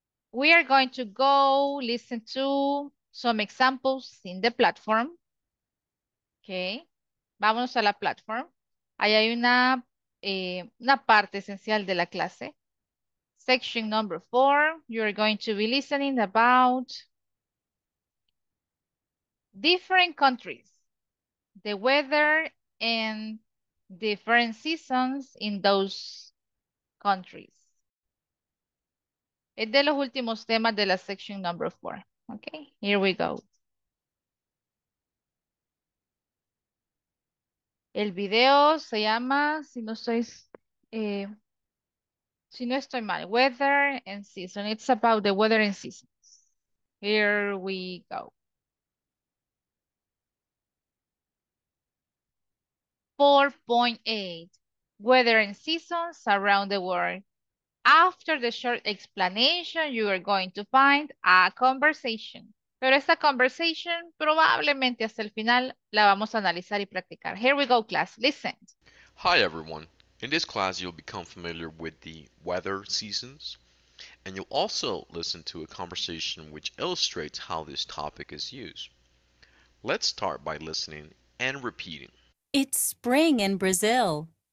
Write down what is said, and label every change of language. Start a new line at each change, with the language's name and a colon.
English: We are going to go listen to some examples in the platform. Okay.
Spanish: Vámonos a la platform. Ahí hay una parte esencial de la clase.
English: Section number 4, you are going to be listening about different countries, the weather and different seasons in those countries.
Spanish: Es de los últimos temas de la section number 4.
English: Okay, here we go.
Spanish: El video se llama, si no sois... Si no estoy mal,
English: weather and season. It's about the weather and seasons. Here we go. Four point eight, weather and seasons around the world. After the short explanation, you are going to find a conversation.
Spanish: Pero esta conversation probablemente hasta el final la vamos a analizar y practicar.
English: Here we go, class. Listen. Hi, everyone. In this class, you'll become familiar with the weather seasons, and you'll also listen to a conversation which illustrates how this topic is used. Let's start by listening and repeating. It's spring in Brazil.